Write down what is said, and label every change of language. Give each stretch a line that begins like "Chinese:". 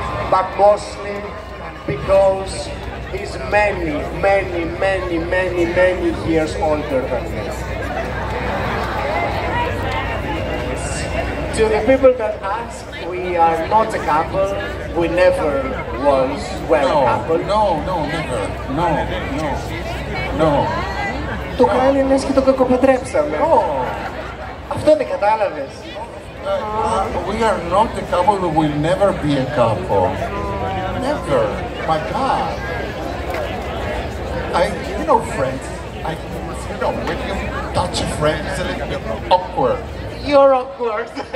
English: But mostly because he's many, many, many, many, many years older than me. To the people that ask, we are not a couple, we never was well no, a couple. No, no, never. No, no, no.
Greek: Το κάνει λες και το κακοπαντρέψαμε.
English: No.
Greek: Αυτό δεν κατάλαβες.
English: We are not a couple, we will never be a couple. Never. My God. You know friends. You know, when you touch a friend, it's a little bit awkward. You're awkward.